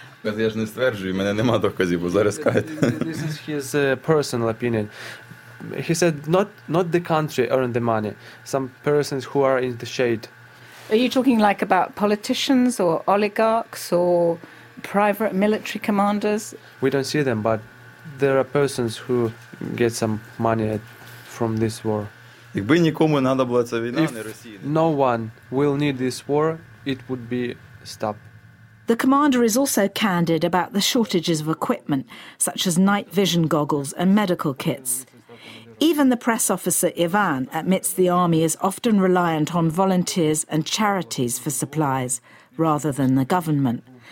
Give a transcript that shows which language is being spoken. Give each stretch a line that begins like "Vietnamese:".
Ukrainian: Бо я ж не стверджую, мене нема доказів, бо зараз кажете.
English: This is his personal opinion. He said not the country earned the money, some persons who are in the shade. Are you talking like about politicians or oligarchs or private military commanders? We don't see them, but there are persons who get some money from this war.
Ukrainian: Якби нікому треба була ця війна, не Росії.
English: No one will need this war, it would be stopped. The commander is also candid about the shortages of equipment, such as night vision goggles and medical kits. Even the press officer Ivan admits the army is often reliant on volunteers and charities for supplies, rather than the government.